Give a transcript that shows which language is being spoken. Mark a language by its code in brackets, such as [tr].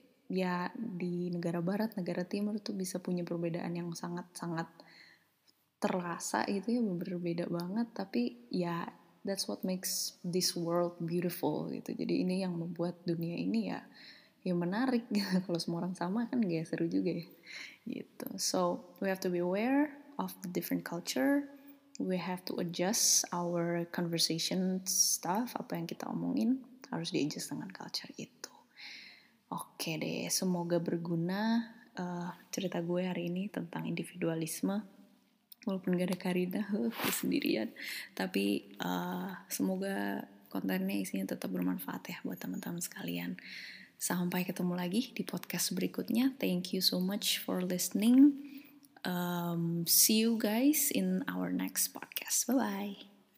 [id] Ya, di negara barat, negara timur tuh bisa punya perbedaan yang sangat-sangat terasa gitu ya, berbeda banget, tapi ya [en] that's what makes this world beautiful [id] gitu. Jadi ini yang membuat dunia ini ya ya menarik. Kalau semua orang sama kan gak seru juga ya. Gitu. [en] So, we have to be aware of the different culture. We have to adjust our conversation stuff, [id] apa yang kita omongin harus di-adjust dengan culture itu. Oke deh, semoga berguna cerita gue hari ini tentang individualisme. Walaupun gak ada Karina, sendirian. Tapi semoga kontennya isinya tetap bermanfaat ya buat teman-teman sekalian. Sampai ketemu lagi di podcast berikutnya. [en] Thank you so much for listening. See you guys in our next podcast. Bye-bye.